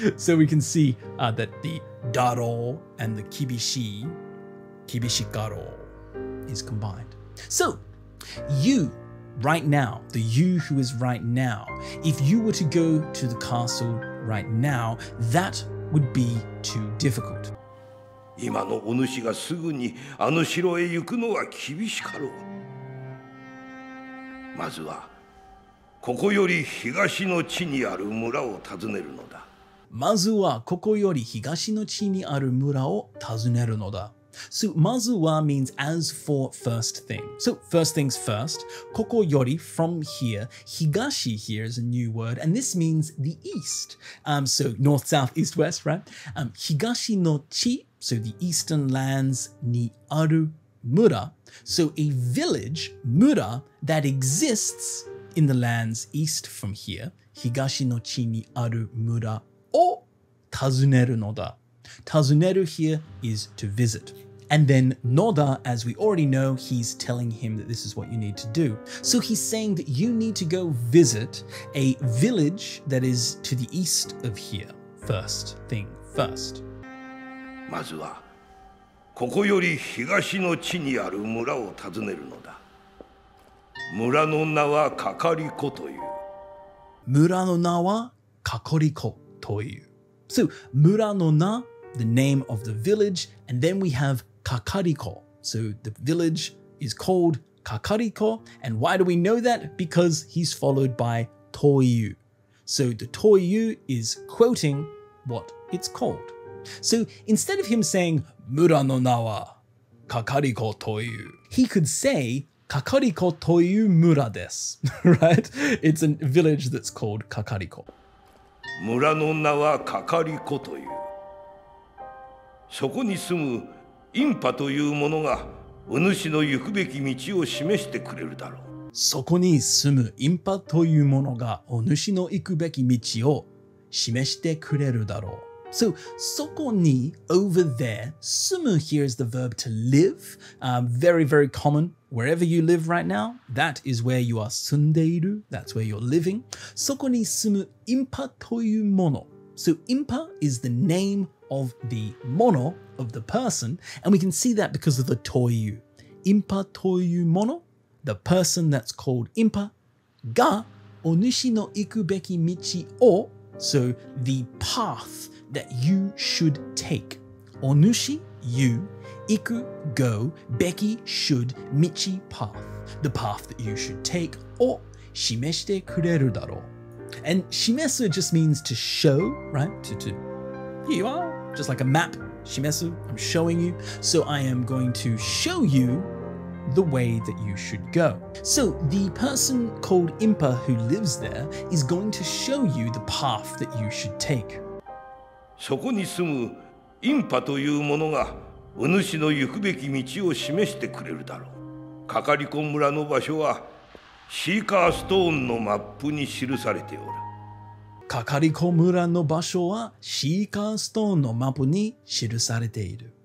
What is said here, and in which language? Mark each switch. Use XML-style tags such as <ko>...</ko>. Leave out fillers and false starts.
<en>So we can see that the daro and the kibishi, kibishikaro, is combined. So, you, right now, the you who is right now, if you were to go to the castle right now, that would be too difficult.</en> <ja>今のお主がすぐにあの城へ行くのは厳しかろう。まずは、ここより東の地にある村を訪ねるのだ。まずはここより東の地にある村を訪ねるのだ。</ja> <en>So,</en> <ja>まずは</ja> <en>means as for first thing. So, first things first.</en> <ja>ここより</ja> <en>from here. 東 here is a new word. And this means the east. So, north, south, east, west, right?</en> <ja>東の地,</ja> <en>so the eastern lands,</en> <ja>にある村.</ja> <en>So, a village, 村, that exists in the lands east from here,</en> <ja>東の地にある村を訪ねるのだ。</ja> <en>Tazuneru here is to visit. And then Noda, as we already know, he's telling him that this is what you need to do. So he's saying that you need to go visit a village that is to the east of here. First thing first.</en> <ja>まずはここより東の地にある村を訪ねるのだ。村の名はかかりこという。村の名はかかりこという。</ja> <en>So</en> <ja>村の名</ja> <en>the name of the village, and then we have Kakariko. So the village is called Kakariko, and why do we know that? Because he's followed by Toyu. So the Toyu is quoting what it's called. So instead of him saying</en> <ja>Mura no nawa Kakariko Toyu,</ja> <en>he could say</en> <ja>Kakariko Toyu Mura desu,</ja> <en>right? It's a village that's called Kakariko.</en> <ja>Mura no nawa Kakariko Toyu. そこに住むインパというものがお主の行くべき道を示してくれるだろう。そこに住むインパというものがお主の行くべき道を示してくれるだろう。</ja> <en>So,</en> <ja>そこに</ja> <en>over there, 住む here is the verb to live.、very, very common. Wherever you live right now, that is where you are</en> <ja>住んでいる.</ja> <en>That's where you're living.</en> <ja>そこに住むインパというもの.</ja> <en>So, インパ is the nameOf the mono of the person, and we can see that because of the toyu.</en> <ja>Impa toyu mono,</ja> <en>the person that's called impa,</en> <ja>ga onushi no iku beki michi o,</ja> <en>so the path that you should take. Onushi, you, iku, go, beki, should, michi, path, the path that you should take, o,</en> <ja>shimeshite kureru daro.</ja> <en>And shimesu just means to show, right? To here you are. Just like a map, shimesu, I'm showing you. So I am going to show you the way that you should go. So the person called Impa who lives there is going to show you the path that you should take.</en> <ja>そこに住むインパというものがお主の行くべき道を示してくれるだろう。かかりこ村の場所はシーカーストーンのマップに記されておる。かかりこ村の場所はシーカーストーンのマップに記されている。</ja>